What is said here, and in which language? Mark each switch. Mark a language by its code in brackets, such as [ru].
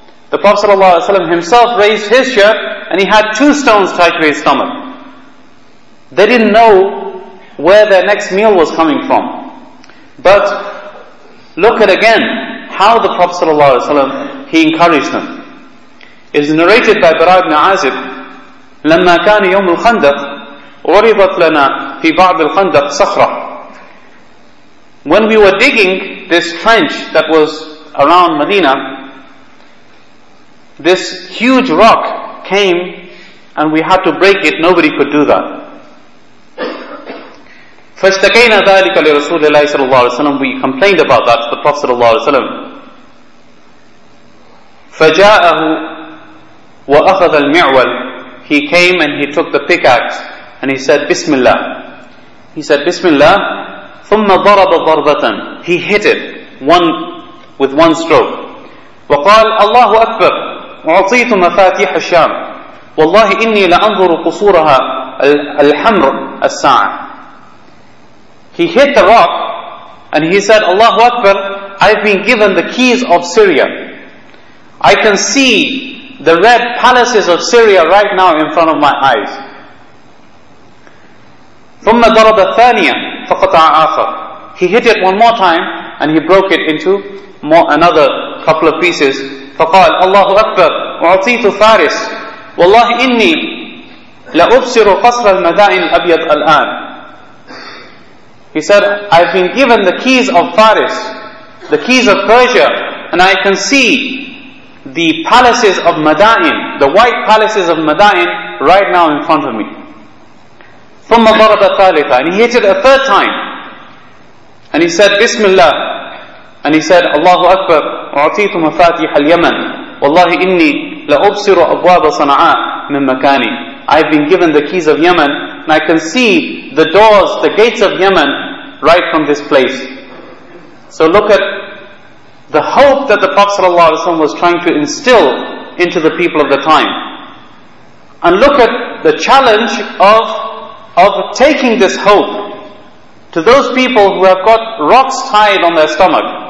[en] The Prophet ﷺ himself raised his shirt and he had two stones tied to his stomach. They didn't know where their next meal was coming from. But look at again how the Prophet ﷺ, he encouraged them. It is narrated by Bara ibn Azib, [ar] لَمَّا كَانِ يَوْمُ الْخَنْدَقِ وَرِضَتْ لَنَا فِي بَعْضِ الْخَنْدَقِ صَخْرَةِ. [en] When we were digging this trench that was around Medina, this huge rock came and we had to break it. Nobody could do that. [ar] فَاشْتَكَيْنَا ذَلِكَ لِرَسُولِ اللَّهِ صَلَى اللَّهُ عَلَيْهِ وَسَلَمُ. [en] We complained about that to the Prophet [ar] صلى الله عليه وسلم. فَجَاءَهُ وَأَخَذَ الْمِعْوَلِ. [en] He came and he took the pickaxe and he said, Bismillah. He said, Bismillah. [ar] ثُمَّ ضَرَبَ ضَرْبَةً. [en] He hit it one with one stroke. [ar] وَقَالَ اللَّهُ أَكْبَرُ وَعُطِيتُ مَفَاتِيحَ الشَّامِ وَاللَّهِ إِنِّي لَأَنْظُرُ قُصُورَهَا الْحَمْرُ السَّاعَ. [en] He hit the rock and he said, Allahu Akbar, I've been given the keys of Syria. I can see the red palaces of Syria right now in front of my eyes. [ar] ثُمَّ ضَرَبَ ثَانِيًا فَقَطَعَ آخَرَ. [en] He hit it one more time and he broke it into more another couple of pieces. [ar] فَقَالَ Allahu Akbar, وَعَطِيتُ فَارِسِ وَاللَّهِ إِنِّي لَأُبْصِرُ قَصْرَ الْمَدَائِنِ الْأَبْيَضِ الْآنِ. [en] He said, I've been given the keys of Faris, the keys of Persia, and I can see the palaces of Madain, the white palaces of Madain, right now in front of me. [ar] ثُمَّ ضَرَبَ ثَالِثًا. [en] And he hit it a third time. And he said, Bismillah. And he said, [ar] Allahu Akbar, وَعَطِيتُ مَفَاتِيحَ الْيَمَنِ وَاللَّهِ إِنِّي لَأُبْصِرُ أَبْوَابَ صَنَعَاءَ مِنْ مَكَانِي. [en] I've been given the keys of Yemen, and I can see the doors, the gates of Yemen, right from this place. So look at the hope that the Prophet ﷺ was trying to instill into the people of the time. And look at the challenge of taking this hope to those people who have got rocks tied on their stomach.